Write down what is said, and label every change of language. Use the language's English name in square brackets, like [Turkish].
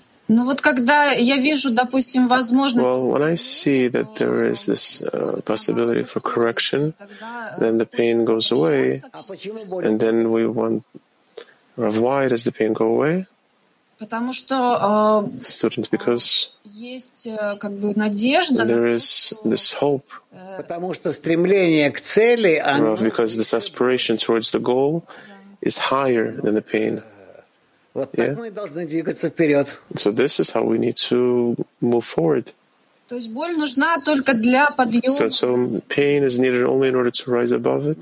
[Russian] Ну вот когда я вижу, допустим, возможность. [English] Well, when I see that there is this possibility for correction, then the pain goes away, and then we want. Rav, why does the pain go away? [Russian] Потому что. [English] Student, because. [Russian] Есть как бы надежда. [English] There is this hope. [Russian] Потому что стремление к цели. [English] Rav, because this aspiration towards the goal is higher than the pain. Yeah. So this is how we need to move forward. So pain is needed only in order to rise above it.